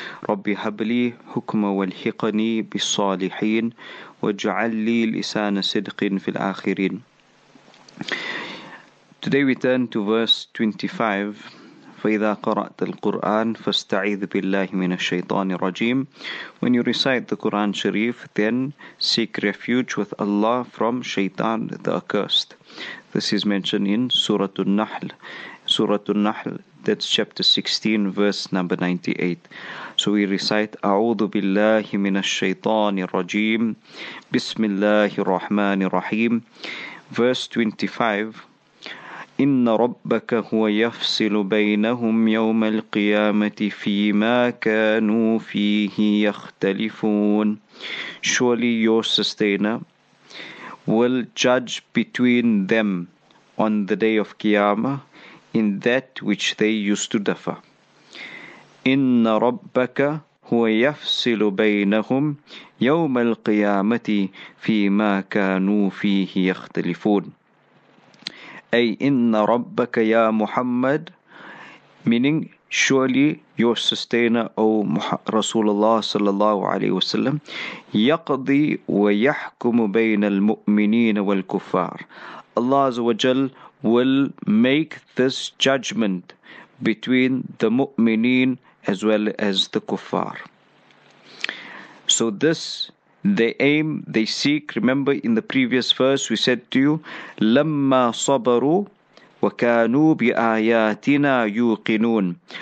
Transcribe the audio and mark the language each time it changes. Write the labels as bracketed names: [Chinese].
[Arabic] رب هب لي حكما والحقني بالصالحين واجعل لي لسان صدق في الاخرين. [English] Today we turn to verse 25. [Arabic] فإذا قرأت القرآن فاستعذ بالله من الشيطان الرجيم. [English] When you recite the Quran Sharif, then seek refuge with Allah from Shaitan the accursed. This is mentioned in Surah An-Nahl. Surah An-Nahl, that's chapter 16, verse number 98. So we recite, [Arabic] أعوذ بالله من الشيطان الرجيم. بسم الله الرحمن الرحيم. [English] Verse 25. [Arabic] إِنَّ رَبَّكَ هُوَ يَفْصِلُ بَيْنَهُمْ يَوْمَ الْقِيَامَةِ فِيمَا كَانُوا فِيهِ يَخْتَلِفُونَ. [English] Surely your sustainer will judge between them on the day of Qiyamah in that which they used to differ. [Arabic] إِنَّ رَبَّكَ هُوَ يَفْصِلُ بَيْنَهُمْ يَوْمَ الْقِيَامَةِ فِيمَا كَانُوا فِيهِ يَخْتَلِفُونَ. أي إن ربك يا محمد, [English] meaning surely your sustainer, O [Arabic] رسول الله صلى الله عليه وسلم, يقضي ويحكم بين المؤمنين والكفار. [English] Allah عز وجل will make this judgment between the مؤمنين as well as the كفار. So this they aim, they seek. Remember in the previous verse we said to you, [Arabic] لَمَّا صَبَرُوا وَكَانُوا بِآيَاتِنَا يُوقِنُونَ.